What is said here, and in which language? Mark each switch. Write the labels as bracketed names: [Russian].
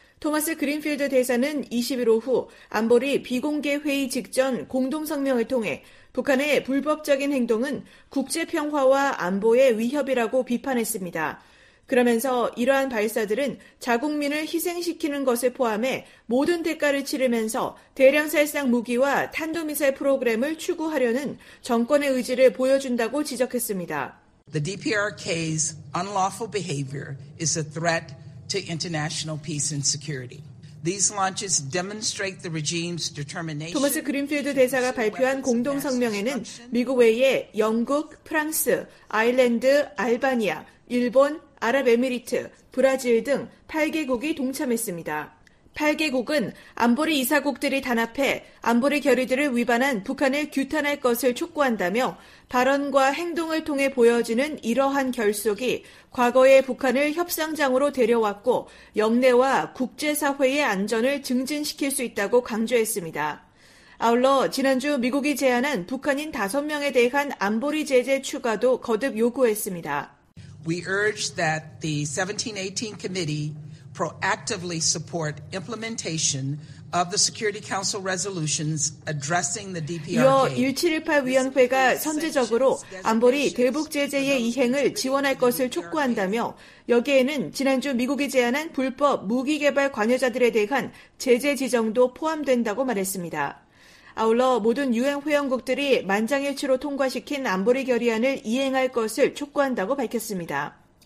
[Korean] 토마스 그린필드 대사는 20일 오후 안보리 비공개 회의 직전 공동성명을 통해 북한의 불법적인 행동은 국제평화와 안보의 위협이라고 비판했습니다. 그러면서 이러한 발사들은 자국민을 희생시키는 것을 포함해 모든 대가를 치르면서 대량살상 무기와 탄도미사일 프로그램을 추구하려는 정권의 의지를 보여준다고 지적했습니다. [English] The DPRK's unlawful behavior is a threat to international peace and security. These launches demonstrate the regime's determination. [Korean] 토마스 그린필드 대사가 발표한 공동 성명에는 미국 외에 영국, 프랑스, 아일랜드, 알바니아, 일본, 아랍에미리트, 브라질 등 8개국이 동참했습니다. 8개국은 안보리 이사국들이 단합해 안보리 결의들을 위반한 북한을 규탄할 것을 촉구한다며 발언과 행동을 통해 보여지는 이러한 결속이 과거의 북한을 협상장으로 데려왔고 역내와 국제사회의 안전을 증진시킬 수 있다고 강조했습니다. 아울러 지난주 미국이 제안한 북한인 5명에 대한 안보리 제재 추가도 거듭 요구했습니다. [English] We urge that the 1718 committee proactively support implementation of the Security Council resolutions addressing the DPRK. [Korean] 이어 1718 위원회가 선제적으로 안보리 대북 제재의 이행을 지원할 것을 촉구한다며 여기에는 지난주 미국이 제안한 불법 무기 개발 관여자들에 대한 제재 지정도 포함된다고 말했습니다. 아울러 모든 유엔 회원국들이 만장일치로 통과시킨 안보리 결의안을 이행할 것을 촉구한다고 밝혔습니다.